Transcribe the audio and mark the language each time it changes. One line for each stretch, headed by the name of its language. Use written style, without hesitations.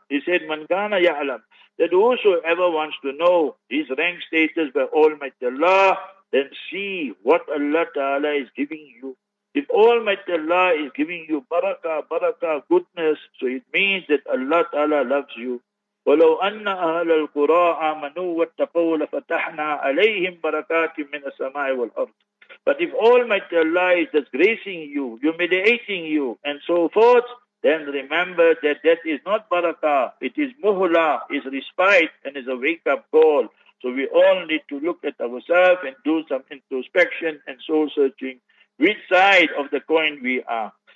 English: He said,
Arabic: Man kana ya'lam,
English: that whosoever wants to know his rank status by Almighty Allah, then see what Allah Ta'ala is giving you. If Almighty Allah is giving you barakah, barakah, goodness, so it means that Allah Ta'ala loves you.
Arabic: ولو أن أهل القرى آمنوا واتقوا لفتحنا عليهم بركات من السماء والأرض.
English: But if Almighty Allah is disgracing you, humiliating you, and so forth, then remember that that is not barakah, it is muhla, is respite, and is a wake-up call. So we all need to look at ourselves and do some introspection and soul-searching, which side of the coin we are.